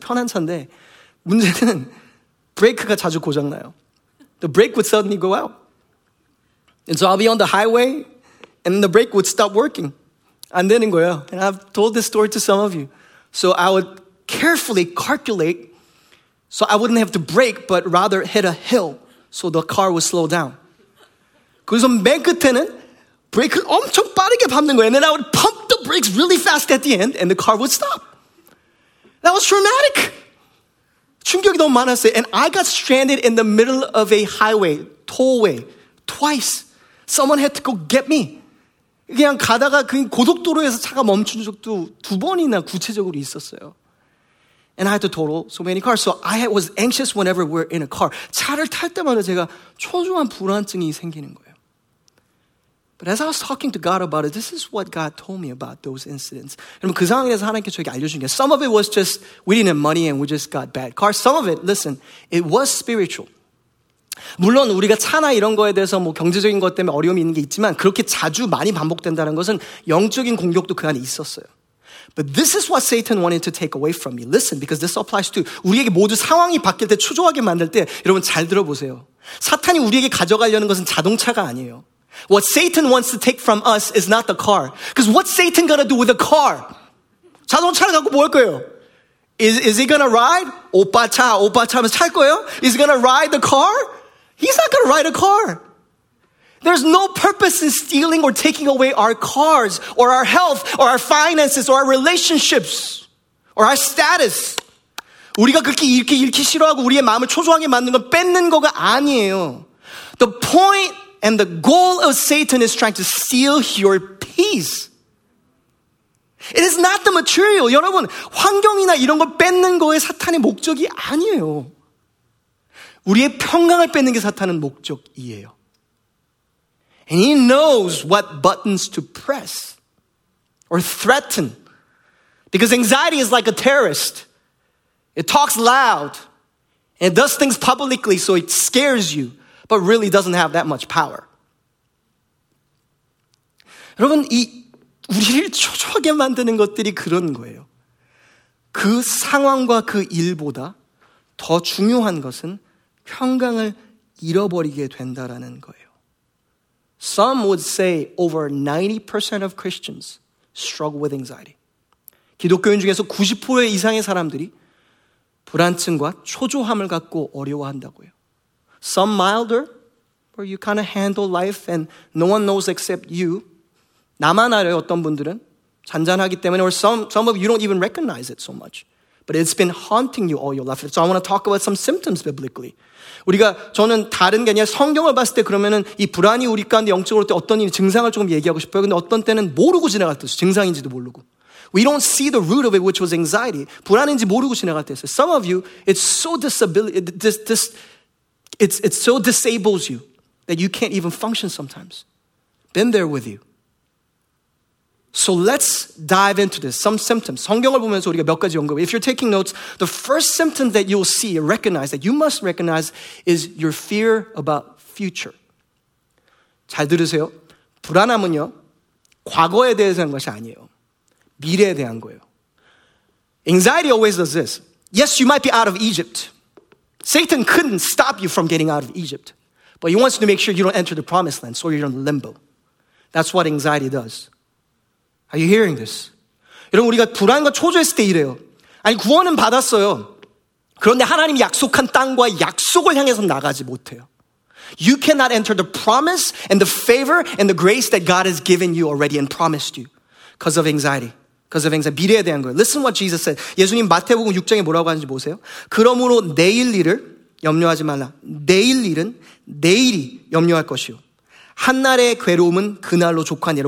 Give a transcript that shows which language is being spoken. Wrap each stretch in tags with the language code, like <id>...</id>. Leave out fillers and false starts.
<ko>편한 차인데 문제는 브레이크가 자주 고장나요.</ko> <en>The brake would suddenly go out. And so I'll be on the highway and the brake would stop working.</en> <ko>안 되는 거예요.</ko> <en>And I've told this story to some of you. So I would carefully calculate so I wouldn't have to brake but rather hit a hill so the car would slow down.</en> <ko>그래서 맨 끝에는 브레이크를 엄청 빠르게 밟는 거예요.</ko> <en>And then I would pump brakes really fast at the end, and the car would stop. That was traumatic.</en> <ko>충격이 너무 많았어요.</ko> <en>And I got stranded in the middle of a highway, tollway, twice. Someone had to go get me.</en> <ko>그냥 가다가 그 고속도로에서 차가 멈춘 적도 두 번이나 구체적으로 있었어요.</ko> <en>And I had to total so many cars. So I was anxious whenever we're in a car.</en> <ko>차를 탈 때마다 제가 초조한 불안증이 생기는 거예요.</ko> <en>But as I was talking to God about it, this is what God told me about those incidents.</en> <ko>여러분, 그 상황에서 하나님께 저에게 알려준 게,</ko> <en>some of it was just, we didn't have money and we just got bad cars. Some of it, listen, it was spiritual.</en> <ko>물론 우리가 차나 이런 거에 대해서 뭐 경제적인 것 때문에 어려움이 있는 게 있지만, 그렇게 자주 많이 반복된다는 것은 영적인 공격도 그 안에 있었어요.</ko> <en>But this is what Satan wanted to take away from me. Listen, because this applies to,</en> <ko>우리에게 모두 상황이 바뀔 때 초조하게 만들 때, 여러분 잘 들어보세요. 사탄이 우리에게 가져가려는 것은 자동차가 아니에요.</ko> <en>What Satan wants to take from us is not the car. Because what's Satan gonna do with a car?</en> <ko>자동차를 갖고 뭐 할 거예요?</ko> <en>Is he gonna ride?</en> <ko>오빠 차, 오빠 차 하면 탈 거예요?</ko> <en>Is he gonna ride the car? He's not gonna ride a car. There's no purpose in stealing or taking away our cars or our health or our finances or our relationships or our status.</en> <ko>우리가 그렇게 잃기 싫어하고 우리의 마음을 초조하게 만드는 건 뺏는 거가 아니에요.</ko> <en>The point and the goal of Satan is trying to steal your peace. It is not the material.</en> <ko>여러분, 환경이나 이런 걸 뺏는 거에 사탄의 목적이 아니에요. 우리의 평강을 뺏는 게 사탄의 목적이에요.</ko> <en>And he knows what buttons to press or threaten. Because anxiety is like a terrorist. It talks loud and it does things publicly so it scares you. But really doesn't have that much power.</en> <ko>여러분, 이 우리를 초조하게 만드는 것들이 그런 거예요. 그 상황과 그 일보다 더 중요한 것은 평강을 잃어버리게 된다라는 거예요.</ko> <en>Some would say over 90% of Christians struggle with anxiety.</en> <ko>기독교인 중에서 90% 이상의 사람들이 불안증과 초조함을 갖고 어려워한다고요.</ko> <en>Some milder, where you kind of handle life and no one knows except you.</en> <ko>나만 알아요, 어떤 분들은. 잔잔하기 때문에,</ko> <en>or some of you don't even recognize it so much. But it's been haunting you all your life. So I want to talk about some symptoms biblically.</en> <ko>우리가, 저는 다른 게 아니라 성경을 봤을 때 그러면은 이 불안이 우리 가운데 영적으로 때 어떤 일이 증상을 조금 얘기하고 싶어요. 근데 어떤 때는 모르고 지나갈 때 있어요. 증상인지도 모르고.</ko> <en>We don't see the root of it, which was anxiety.</en> <ko>불안인지 모르고 지나갈 때 있어요.</ko> <en>Some of you, it so disables you that you can't even function sometimes. Been there with you. So let's dive into this. Some symptoms.</en> <ko>성경을 보면서 우리가 몇 가지 언급을.</ko> <en>If you're taking notes, the first symptom that you'll see, recognize, that you must recognize is your fear about future.</en> <ko>잘 들으세요. 불안함은요, 과거에 대해서 한 것이 아니에요. 미래에 대한 거예요.</ko> <en>Anxiety always does this. Yes, you might be out of Egypt. Satan couldn't stop you from getting out of Egypt. But he wants to make sure you don't enter the promised land, so you're in limbo. That's what anxiety does. Are you hearing this?</en> <ko>여러분, 우리가 불안과 초조했을 때 이래요. 아니, 구원은 받았어요. 그런데 하나님이 약속한 땅과 약속을 향해서 나가지 못해요.</ko> <en>You cannot enter the promise and the favor and the grace that God has given you already and promised you because of anxiety. Because of anxiety.</en> <ko>미래에 대한 거예요.</ko> <en>Listen what Jesus said.</en> <ko>예수님 마태복음 6장에 뭐라고 하는지 보세요. 그러므로 내일 일을 염려하지 말라. 내일 일은 내일이 염려할 것이요. 한날의 괴로움은 그날로 족하니라.</ko>